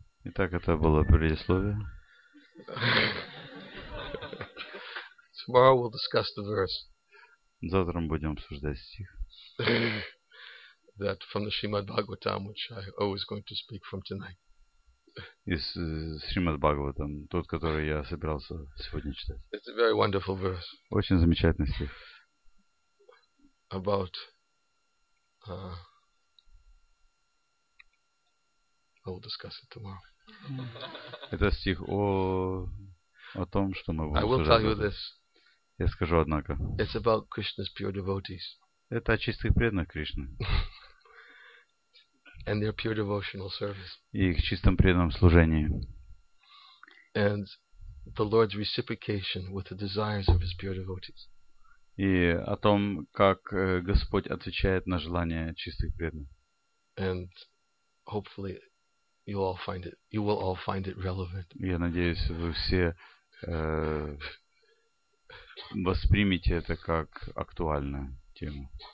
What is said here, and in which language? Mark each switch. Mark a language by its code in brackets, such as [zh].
[ru] Итак, это было предисловие. [en] Tomorrow we'll discuss the verse. [ru] Завтра мы будем обсуждать стих. [en] That from the Srimad Bhagavatam, which I always going to speak from tonight. [ru] Из Шримад Бхагаватам, тот, который я собирался сегодня читать. [en] It's a very wonderful verse. [ru] Очень замечательный стих. [en] About I will discuss it tomorrow. [ru] Это стих о том, что мы будем. [en] I will tell you this. [ru] Я скажу, однако. [en] It's about Krishna's pure devotees. [ru] Это о чистых преданных Кришны. [en] And their pure devotional service. [ru] И их чистом преданном служении. [en] And the Lord's reciprocation with the desires of his pure devotees. [ru] И о том, как Господь отвечает на желания чистых преданных. [en] And hopefully you all find it, you will all find it relevant. [ru] Я надеюсь, вы все воспримите это как актуальную тему.